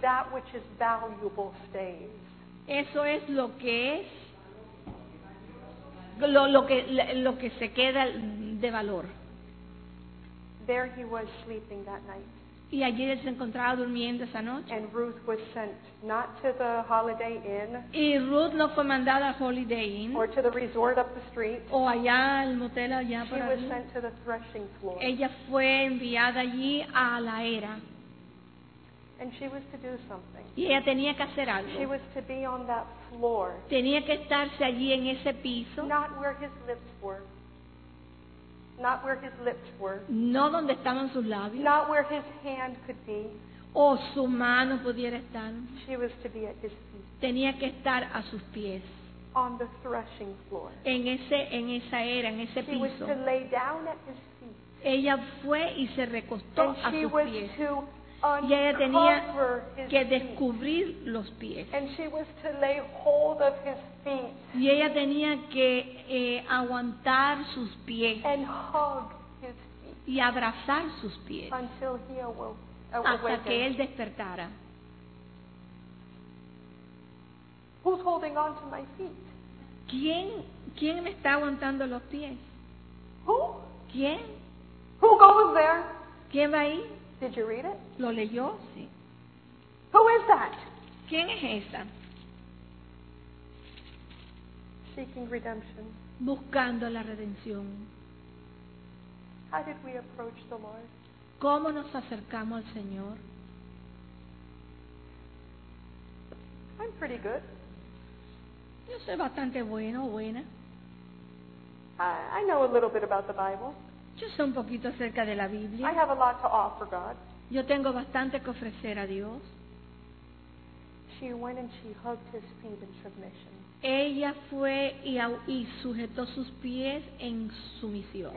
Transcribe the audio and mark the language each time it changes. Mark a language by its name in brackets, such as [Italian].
[English] That which is valuable stays. [Spanish] Eso es lo que es. Lo que se queda de valor. [English] There he was sleeping that night. [Spanish] Y allí él se encontraba durmiendo esa noche. [English] And Ruth was sent not to the Holiday Inn. [Spanish] Y Ruth no fue mandada al Holiday Inn. [English] Or to the resort up the street. [Spanish] O allá al motel allá por allí. [English] She was sent to the threshing floor. [Spanish] Ella fue enviada allí a la era. [English] And she was to do something. [Spanish] Y ella tenía que hacer algo. [English] She was to be on that floor. [Spanish] Tenía que estarse allí en ese piso. [English] Not where his lips were. Not where his lips were. [Spanish] No donde estaban sus labios. [English] Not where his hand could be. [Spanish] O su mano pudiera estar. [English] She was to be at his feet. [Spanish] Tenía que estar a sus pies. [English] On the threshing floor. [Spanish] En esa era, en ese [English] she [Spanish] piso. [English] She was to lay down at his feet. [Spanish] Ella fue y se recostó [English] and [Spanish] a sus [English] was [Spanish] pies. [English] To [Spanish] y ella tenía que descubrir los pies. [English] And she was to lay hold of his feet. [Spanish] Y ella tenía que aguantar sus pies. [English] And hug his feet. [Spanish] Y abrazar sus pies. [English] Until he [Spanish] hasta que él despertara. [English] Who's holding on to my feet? [Spanish] ¿Quién me está aguantando los pies? [English] Who? [Spanish] ¿Quién? [English] Who goes there? [Spanish] ¿Quién va ahí? [English] Did you read it? [Spanish] ¿Lo leyó? Sí. [English] Who is that? [Spanish] ¿Quién es esa? [English] Seeking redemption. [Spanish] Buscando la redención. [English] How did we approach the Lord? [Spanish] ¿Cómo nos acercamos al Señor? [English] I'm pretty good. [Spanish] Yo soy bastante bueno, buena. [English] I know a little bit about the Bible. [Spanish] Yo sé un poquito acerca de la Biblia. [English] I have a lot to offer God. [Spanish] Yo tengo bastante que ofrecer a Dios. [English] She went and she hugged his feet in submission. [Spanish] Ella fue y sujetó sus pies en sumisión.